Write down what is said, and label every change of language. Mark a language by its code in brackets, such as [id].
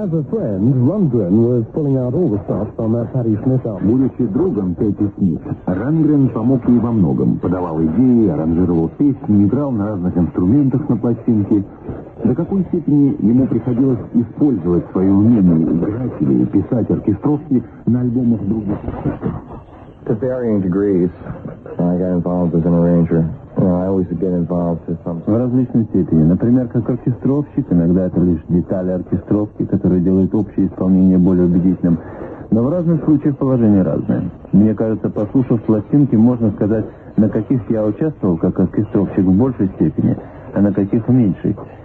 [en] friend, Rundgren was pulling out all the stops on that Patti Smith album. [ru] Будучи другом Пэтти Смит, Рундгрен помог ей во многом. Подавал идеи, аранжировал песни, играл на разных инструментах на пластинке. До какой степени ему приходилось использовать свои умения играть или писать оркестровки на альбомах других артистов? [en] To varying degrees, I got involved as an arranger. I always get involved in some... [ru] В различной степени. Например, как оркестровщик, иногда это лишь детали оркестровки, которые делают общее исполнение более убедительным. Но в разных случаях положение разное. Мне кажется, послушав пластинки, можно сказать, на каких я участвовал как оркестровщик в большей степени, а на каких в меньшей.